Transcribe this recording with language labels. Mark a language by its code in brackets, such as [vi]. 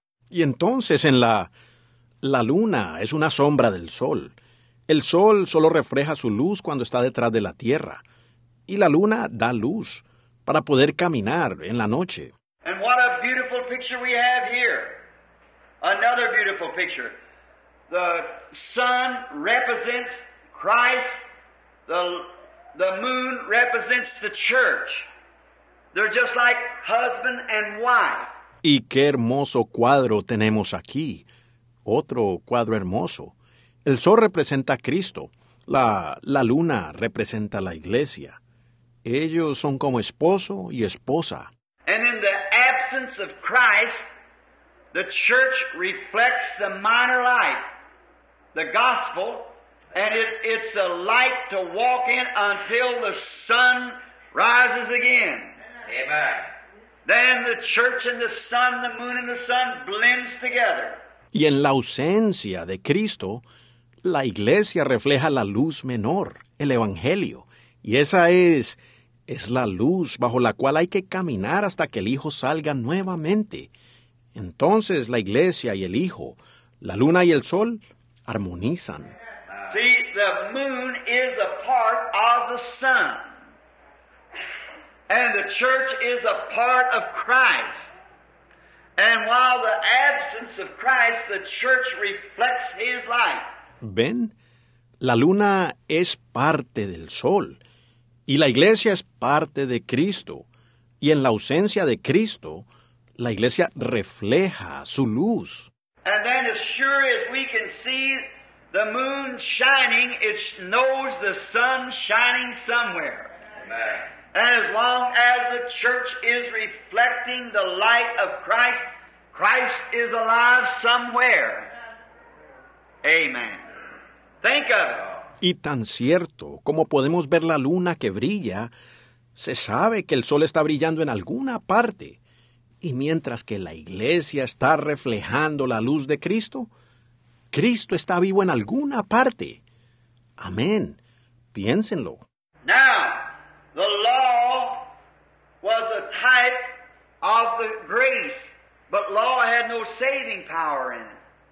[es] Y entonces en la luna es una sombra del sol. El sol solo refleja su luz cuando está detrás de la tierra. Y la luna da luz para poder caminar en la noche. [en] And what a beautiful picture we have here. Another beautiful picture. The sun represents Christ. The moon represents the church. They're just like husband and wife. [es] Y qué hermoso cuadro tenemos aquí. Otro cuadro hermoso. El sol representa a Cristo. La luna representa a la iglesia. Ellos son como esposo y esposa. [en] And in the absence of Christ, the church reflects the minor light, the gospel, and it's a light to walk in until the sun rises again. Amen. Then the church and the sun, the moon and the sun blends together. [es] Y en la ausencia de Cristo, la iglesia refleja la luz menor, el evangelio, y esa es la luz bajo la cual hay que caminar hasta que el Hijo salga nuevamente. Entonces la iglesia y el Hijo, la luna y el sol, armonizan. [en] See, the moon is a part of the sun. And the church is a part of Christ. And while the absence of Christ, the church reflects his light. [es] ¿Ven? La luna es parte del sol. Y la iglesia es parte de Cristo. Y en la ausencia de Cristo, la iglesia refleja su luz. [en] And then as sure as we can see the moon shining, it knows the sun shining somewhere. Amen. And as long as the church is reflecting the light of Christ, Christ is alive somewhere. Amen. Think of it. [es] Y tan cierto como podemos ver la luna que brilla, se sabe que el sol está brillando en alguna parte. Y mientras que la iglesia está reflejando la luz de Cristo, Cristo está vivo en alguna parte. Amén. Piénsenlo. [en] Now, the law was a type of the grace, but law had no saving power in it.